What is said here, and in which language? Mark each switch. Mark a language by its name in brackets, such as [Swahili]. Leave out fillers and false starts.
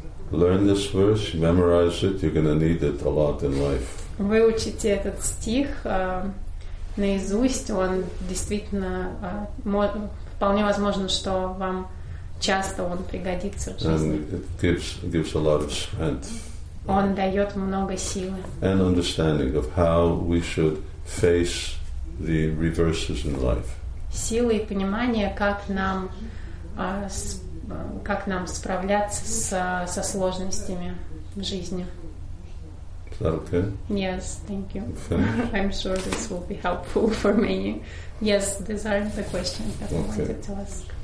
[English] Learn this verse, memorize it. You're going to need it a lot in life. [Russian] Выучите этот стих наизусть. Он действительно вполне возможно, что вам часто он пригодится в жизни. [English] And it gives a lot of strength. [Russian] Он дает много силы. [English] And understanding of how we should face the reverses in life. [Russian] Силы и понимание, как нам справляться со сложностями в жизни. [English] Is that okay? Yes, thank you. Finish. I'm sure this will be helpful for many. Yes, these are the questions that I wanted to ask.